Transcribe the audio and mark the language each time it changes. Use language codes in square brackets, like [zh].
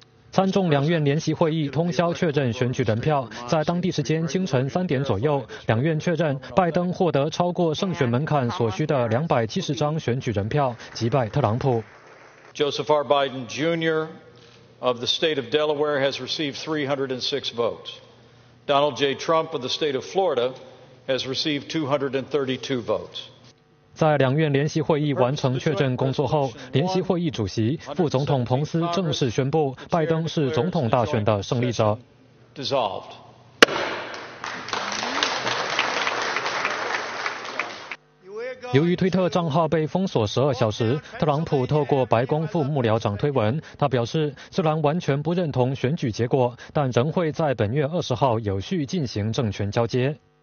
[zh] 参众两院联席会议通宵确认选举人票，在当地时间清晨3点左右，两院确认拜登获得超过胜选门槛所需的270张选举人票，击败特朗普。 [en] Joseph R. Biden Jr. of the state of Delaware has received 306 votes. Donald J. Trump of the state of Florida has received 232 votes. [zh] 在两院联席会议完成确认工作后，联席会议主席、副总统彭斯正式宣布，拜登是总统大选的胜利者。由于推特账号被封锁12小时，特朗普透过白宫副幕僚长推文，他表示，虽然完全不认同选举结果，但仍会在本月20号有序进行政权交接。